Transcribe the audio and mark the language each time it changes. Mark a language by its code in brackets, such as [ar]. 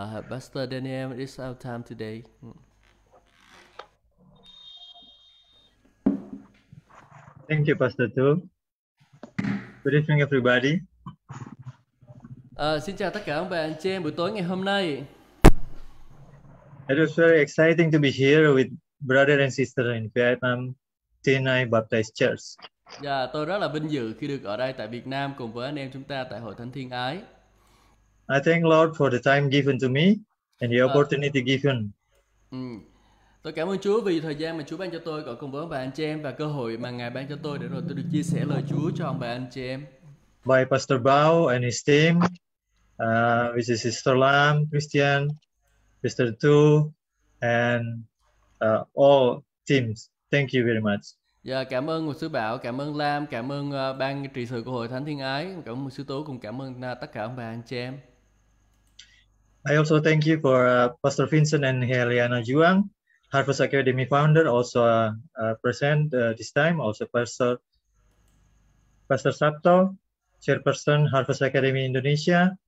[en] Pastor Daniel, it's our time today. Thank you, Pastor Tu. Good evening, everybody. [vi] Xin chào tất cả ông bà anh chị em buổi tối ngày hôm nay. [en] It was very exciting to be here with brother and sister in Vietnam, Tinai Baptist Church. [vi] Yeah, tôi rất là vinh dự khi được ở đây tại Việt Nam cùng với anh em chúng ta tại Hội Thánh Thiên Ái. [en] I thank Lord for the time given to me and the opportunity given. [vi] Tôi cảm ơn Chúa vì thời gian mà Chúa ban cho tôi gọi cùng với ông bà anh chị em, và cơ hội mà Ngài ban cho tôi để rồi tôi được chia sẻ lời Chúa cho ông bà anh chị em. [en] By Pastor Bao and his team, which is Sister Lam, Christian, Mr. Tu, and all teams. Thank you very much. [vi] Dạ, cảm ơn Mục sư Bảo, cảm ơn Lam, cảm ơn ban trị sự của Hội Thánh Thiên Ái, cảm ơn Mục sư Tố, cùng cảm ơn tất cả ông bà anh chị em. [en] I also thank you for Pastor Vincent and Heliana Juang, Harvest Academy founder, also present this time, also Pastor Sabto, Chairperson Harvest Academy Indonesia.